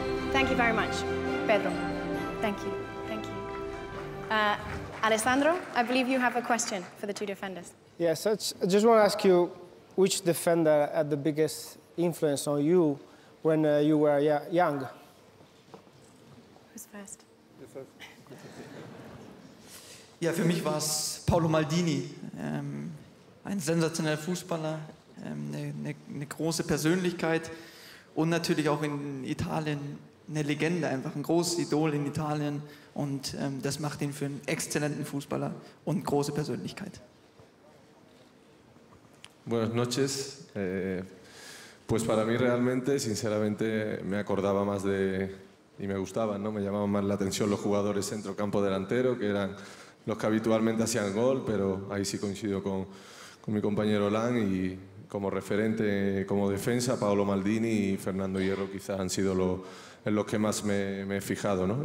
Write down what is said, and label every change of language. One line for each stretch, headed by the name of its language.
English: Thank you very much, Pedro. Thank you, thank you. Alessandro, I believe you have a question for the 2 defenders. Yes, I just want to ask you, which defender had the biggest influence on you when you were young? Who's first?
German: Ja, für mich war es Paolo Maldini, ein sensationeller Fußballer, eine große Persönlichkeit und natürlich auch in Italien eine Legende, einfach ein großes Idol in Italien. Und das macht ihn für einen exzellenten Fußballer und große Persönlichkeit.
Spanish: Buenas noches. Pues para mí realmente, sinceramente, me acordaba más de y me gustaban, ¿no? Me llamaban más la atención los jugadores centro campo delantero, que eran los que habitualmente hacían gol, pero ahí sí coincido con mi compañero Lan y como referente, como defensa, Paolo Maldini y Fernando Hierro quizás han sido los que más me he fijado, ¿no?